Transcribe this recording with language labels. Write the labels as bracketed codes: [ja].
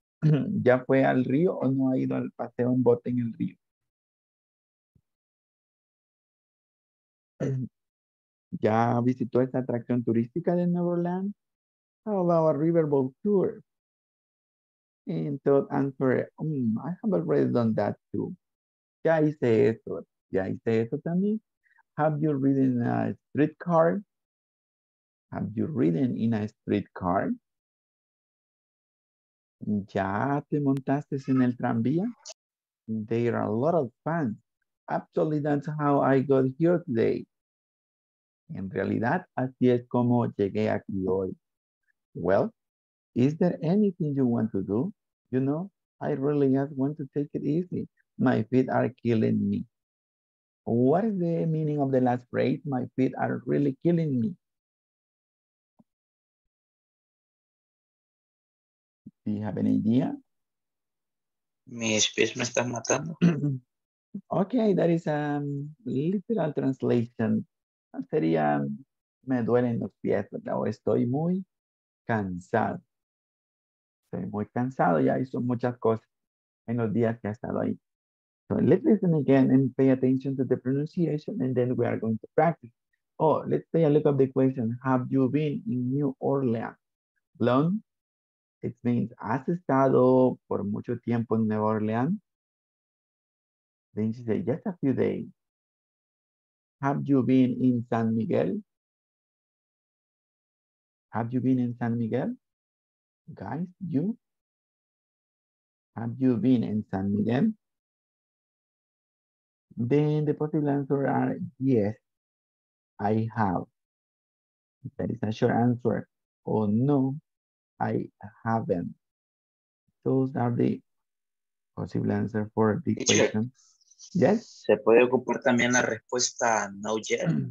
[es] ¿Ya fue al río o no ha ido al paseo en bote en el río? ¿Ya visitó esta atracción turística de Nueva Orleans? [en] How about a riverboat tour? And Todd answered, I have already done that, too. [es] Ya hice eso también. [en] Have you ridden in a streetcar? [es] ¿Ya te montaste en el tranvía? [en] There are a lot of fun. Actually, that's how I got here today. [es] En realidad, así es como llegué aquí hoy. [en] Well, is there anything you want to do? You know, I really just want to take it easy. My feet are killing me. What is the meaning of the last phrase? My feet are really killing me. Do you have any idea? [es] Mis pies me están matando. [en] Okay, that is a literal translation. [es] Sería, me duelen los pies, o estoy muy cansado. Estoy muy cansado, ya hizo muchas cosas en los días que ha estado ahí. [en] So let's listen again and pay attention to the pronunciation, and then we are going to practice. Oh, let's take a look at the question. Have you been in New Orleans? Long? It means, [es] ¿has estado por mucho tiempo en Nueva Orleans? [en] Then she said, just a few days. Have you been in San Miguel? Have you been in San Miguel? Guys, you? Have you been in San Miguel? Then the possible answer are, yes, I have. That is a short answer. Oh, no, I haven't. Those are the possible answer for the question. Yes? [es] Se puede ocupar también la respuesta, no, yet.